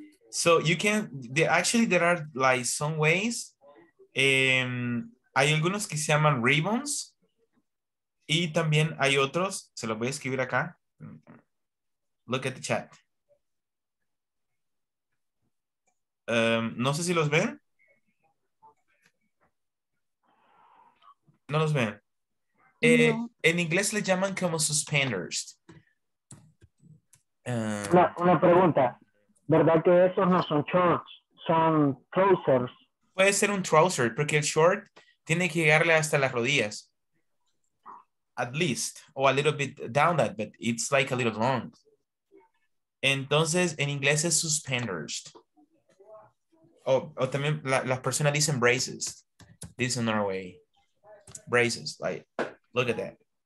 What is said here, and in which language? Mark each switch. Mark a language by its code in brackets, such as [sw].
[en] So you can, there are like some ways. [es] Hay algunos que se llaman ribbons. Y también hay otros, se los voy a escribir acá. [en] Look at the chat. [es] No sé si los ven. No los ven. No. En inglés le llaman como suspenders. Una pregunta. ¿Verdad que esos no son shorts? Son trousers. Puede ser un trouser, porque el short tiene que llegarle hasta las rodillas. [en] At least. O a little bit down that, but it's like a little long. [es] Entonces, en inglés es suspenders. O también las personas dicen braces. [en] This in Norway. Braces, like, look at that.